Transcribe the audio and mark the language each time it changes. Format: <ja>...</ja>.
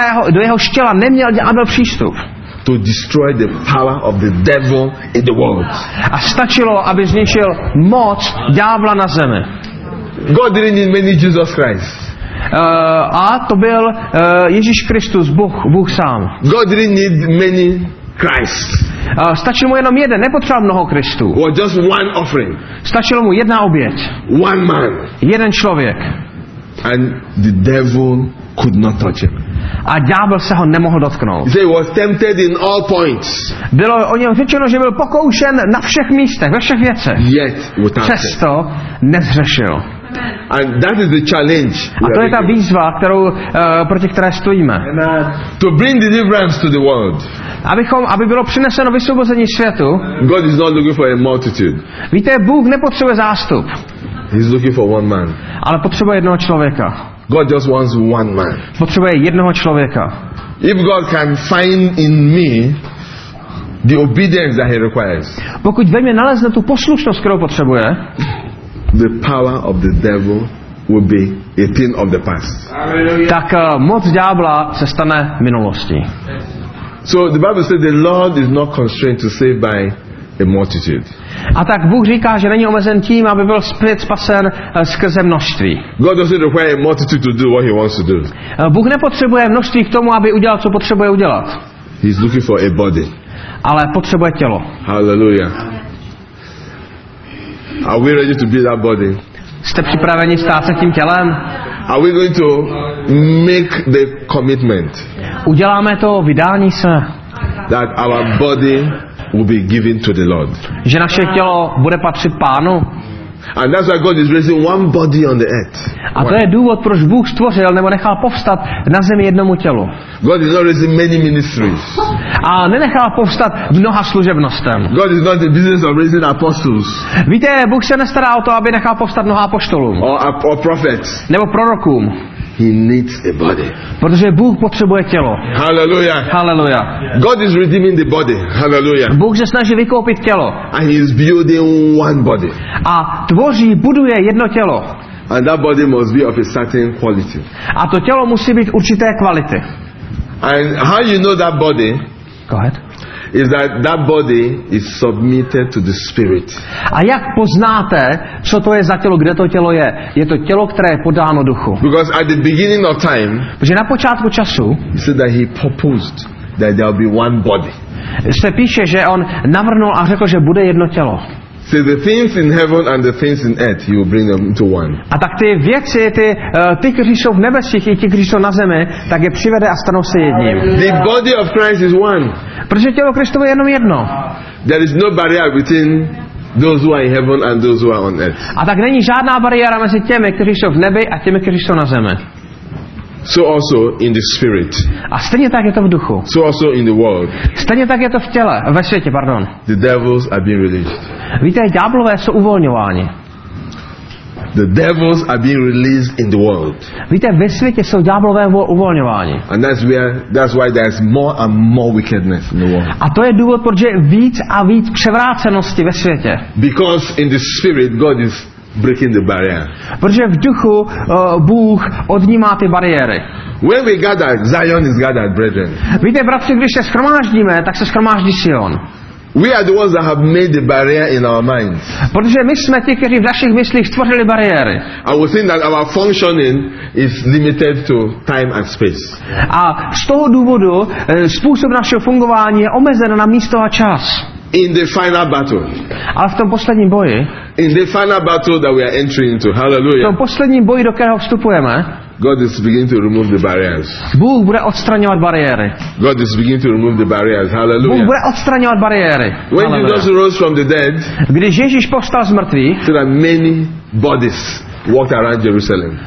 <cs>Do jeho štěla neměl ďábel přístup.</cs> <en>To destroy the power of the devil in the world.</en> <cs>A stačilo, aby zničil moc ďábla na zemi.</cs> <en>God didn't need many Jesus Christ.</en> <cs>A to byl Ježíš Kristus, Bůh sám.</cs> <en>God didn't need many Christ.</en> <cs>Stačil mu jenom jeden, nepotřeboval mnoho Kristů.</cs> <en>Or just one offering.</en> <cs>Stačilo mu jedna oběť.</cs> <en>One man.</en> <cs>Jeden člověk.</cs> <en>And the devil could not touch him.</en> <cs>A ďábel se ho nemohl dotknout.</cs> <en>He was tempted in all points.</en> <cs>Bylo o něm řečeno, že byl pokoušen na všech místech, ve všech věcech.</cs> <en>Yet without sin.</en> <cs>Přesto nezřešil.</cs> <en>And that is the challenge.</en> <cs>A to je ta výzva, kterou proti které stojíme.</cs> <en>To bring deliverance to the world.</en> <cs>Aby bylo přineseno vysvobození světu.</cs> <en>God is not looking for a multitude.</en> <cs>Víte, Bůh nepotřebuje zástup.</cs> <en>He's looking for one man.</en> <cs>Ale potřebuje jednoho člověka.</cs> <en>God just wants one man.</en> <cs>Potřebuje jednoho člověka.</cs> <en>If God can find in me the obedience that he requires.</en> <cs>Pokud ve mně nalezne tu poslušnost, kterou potřebuje,</cs> <en>the power of the devil will be a thing of the past.</en> <cs>Tak moc ďábla se stane minulostí.</cs> <en>So the Bible says the Lord is not constrained to save by a multitude.</en> <cs>A tak Bůh říká, že není omezen tím, aby byl spasen skrze množství.</cs> <en>God doesn't require a multitude to do what he wants to do.</en> <cs>Bůh nepotřebuje množství k tomu, aby udělal, co potřebuje udělat.</cs> <en>He's looking for a body.</en> <cs>Ale potřebuje tělo.</cs> <en>Hallelujah. Are we ready to be that body?</en> <cs>Jste připraveni stát se tím tělem?</cs> <en>Are we going to make the commitment?</en> <cs>Uděláme to vydání se.</cs> <en>That our body will be given to the Lord.</en> <cs>Že naše tělo bude patřit Pánu.</cs> <en>And that's why God is raising one body on the earth.</en> <cs>A to je důvod, proč Bůh stvořil nebo nechal povstat na zemi jednomu tělu.</cs> <en>God is not raising many ministries.</en> <cs>A nenechal povstat mnoha služebnostem.</cs> <en>God is not in the business of raising apostles.</en> <cs>Víte, Bůh se nestará o to, aby nechal povstat mnoha apoštolům.</cs> <en>Or prophets.</en> <cs>Nebo prorokům.</cs> <en>He needs a body.</en> <cs>Protože Bůh potřebuje tělo.</cs> <en>Hallelujah. Hallelujah. God is redeeming the body. Hallelujah.</en> <cs>Bůh se snaží vykoupit tělo.</cs> <en>And he is building one body.</en> <cs>A tvoří, buduje jedno tělo.</cs> <en>And that body must be of a certain quality.</en> <cs>A to tělo musí být určité kvality.</cs> <en>And how you know that body? Go ahead. is that that body is submitted to the spirit.</en> <cs>A jak poznáte, co to je za tělo, kde to tělo je? Je to tělo, které je podáno duchu.</cs> <en>Because at the beginning of time,</en> <cs>protože na počátku času,</cs> <en>he said that he proposed that there will be one body.</en> <cs>Se píše, že on navrhnul a řekl, že bude jedno tělo.</cs> <en>So the things in heaven and the things in earth, he will bring them into one.</en> <cs>A tak ty věci, ty, kteří jsou v nebesích, i ty, kteří jsou na zemi, tak je přivede a stanou se jedním.</cs> <en>The body of Christ is one.</en> <cs>Protože tělo Kristovo je jenom jedno.</cs> <en>There is no barrier between those who are in heaven and those who are on earth.</en> <cs>A tak není žádná bariéra mezi těmi, kteří jsou v nebi, a těmi, kteří jsou na zemi.</cs> <en>So also in the spirit.</en> <cs>A stejně tak je to v duchu.</cs> <en>So also in the world.</en> <cs>Stejně tak je to v těle, ve světě, pardon.</cs> <en>The devils are being released.</en> <cs>Víte, ďáblové jsou uvolňováni.</cs> <en>The devils are being released in the world.</en> <cs>Víte, ve světě jsou ďáblové uvolňováni.</cs> <en>And that's why there's more and more wickedness in the world.</en> <cs>A to je důvod, proč je víc a víc převrácenosti ve světě.</cs> <en>Because in the spirit God is breaking the barrier.</en> <cs>Protože v duchu Bůh odnímá ty bariéry.</cs> <en>When we gather, Zion is gathered, brethren.</en> <cs>Víte, bratři, když se shromáždíme, tak se shromáždí Sion.</cs> <en>We are the ones that have made the barrier in our minds.</en> <cs>Protože my jsme ti, kteří v našich myslích stvořili bariéry.</cs> <en>And we think that our functioning is limited to time and space.</en> <cs>A z toho důvodu způsob našeho fungování je omezen na místo a čas.</cs> <en>In the final battle.</en> <cs>Ale v tom posledním boji.</cs> <en>In the final battle that we are entering into. Hallelujah.</en> <cs>V tom posledním boji, do kterého vstupujeme.</cs> <en>God is beginning to remove the barriers.</en> <cs>Bůh bude odstraňovat bariéry.</cs> <en>God is beginning to remove the barriers. Hallelujah.</en> <cs>Bůh bude odstraňovat bariéry.</cs> <en>When Jesus rose from the dead.</en> <cs>Když Ježíš povstal z mrtvých.</cs> <en>There are many bodies walked around Jerusalem.</en>